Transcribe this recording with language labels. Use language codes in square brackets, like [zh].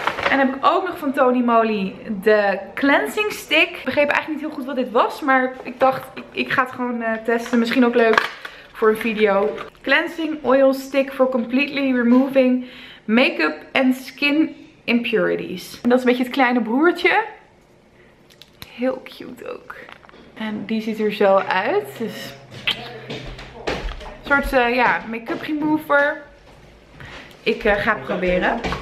[nl] En heb ik ook nog van Tony Moly de cleansing stick. Ik begreep eigenlijk niet heel goed wat dit was. Maar ik dacht, ik ga het gewoon testen. Misschien ook leuk voor een video. [en] Cleansing oil stick for completely removing make-up and skin impurities. [nl] En dat is een beetje het kleine broertje. Heel cute ook. En die ziet er zo uit. Dus een soort ja, make-up remover. Ik ga het proberen.